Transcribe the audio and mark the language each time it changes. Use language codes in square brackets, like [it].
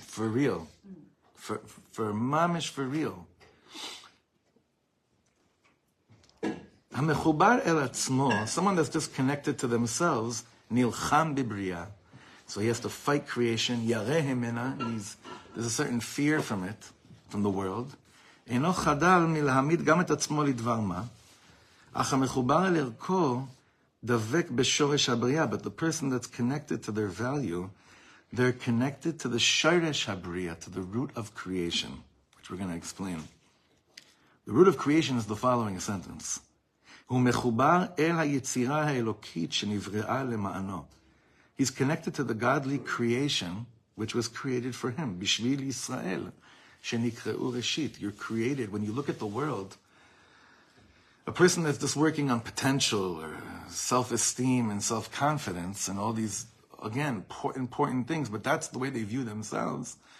[en] For real. For mamish, for real. [he] Hamechubar el atzmo, [en] someone that's just connected to themselves, [he] nilcham bibriya. [en] So he has to fight creation. Yarehimena, there's a certain fear from it, from the world. [he] אינו חדל מלהעמיד גם את עצמו לדבר מה, אך המחובר אל ערכו דבק בשורש הבריאה. [en] But the person that's connected to their value, they're connected to the [he] שורש הבריאה, [en] to the root of creation, which we're going to explain. The root of creation is the following sentence. [he] הוא מחובר אל היצירה האלוקית שנבראה למענו. [en] He's connected to the godly creation, which was created for him, [he] בשביל ישראל. שנקראו ראשית, [en] you're created. When you look at the world, a person that's just working on potential or self-esteem and self-confidence and all these, again, important things, but that's the way they view themselves.